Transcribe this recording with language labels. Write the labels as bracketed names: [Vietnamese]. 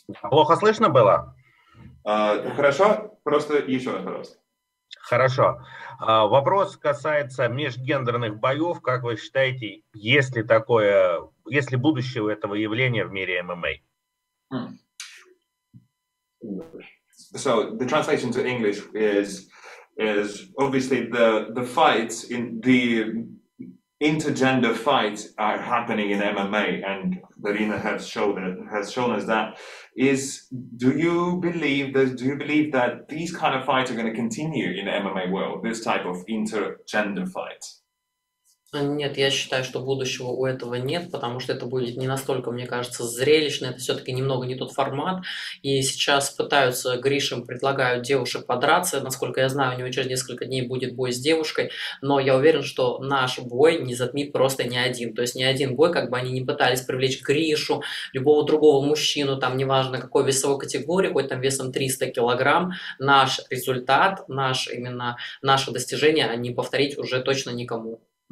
[Russian] Плохо слышно было? Хорошо, просто еще раз, пожалуйста. Хорошо. Вопрос касается межгендерных боев. Как вы считаете, есть ли такое, есть ли будущее у этого явления в мире ММА? [English] So the translation to English is obviously the fights in the intergender fights are happening in MMA, and Darina has shown us that. Do you believe that these kind of fights are going to continue in the MMA world, this type of intergender fights? [Russian] Нет, я считаю, что будущего у этого нет, потому что это будет не настолько, мне кажется, зрелищно, это все-таки немного не тот формат, и сейчас пытаются, Гришем предлагают девушек подраться, насколько я знаю, у него через несколько дней будет бой с девушкой, но я уверен, что наш бой не затмит просто ни один, то есть ни один бой, как бы они не пытались привлечь Гришу, любого другого мужчину, там, неважно какой весовой категории, хоть там весом 300 килограмм, наш результат, наше достижение не повторить уже точно никому.